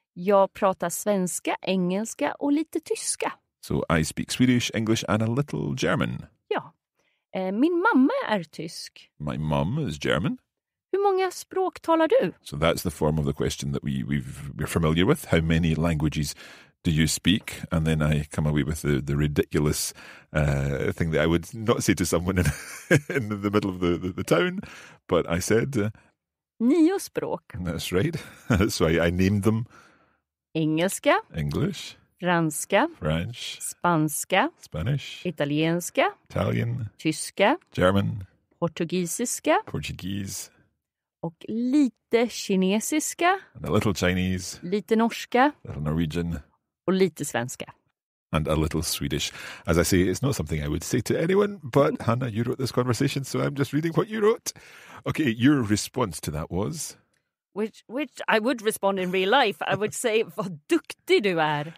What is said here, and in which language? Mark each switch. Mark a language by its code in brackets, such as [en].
[sv] Jag pratar svenska, engelska och lite tyska. [en] So I speak Swedish, English and a little German. [sv] Yeah. Min mamma är tysk. [en] My mom is German. [sv] Hur många språk talar du? [en] So that's the form of the question that we're familiar with. How many languages do you speak? And then I come away with the ridiculous thing that I would not say to someone in the middle of the town. But I said... [sv] Nio språk. [en] That's right. So I named them... [sv] Engelska. [en] English. [sv] Franska. [en] French. [sv] Spanska. [en] Spanish. [sv] Italienska. [en] Italian. [sv] Tyska. [en] German. [sv] Portugisiska. [en] Portuguese. [sv] Och lite kinesiska. [en] And a little Chinese. [sv] Lite norska. [en] A little Norwegian. [sv] Och lite svenska. [en] And a little Swedish. As I say, it's not something I would say to anyone, but Hannah, you wrote this conversation, so I'm just reading what you wrote. Okay, your response to that was... Which I would respond in real life. I would say, [sv] vad duktig du är.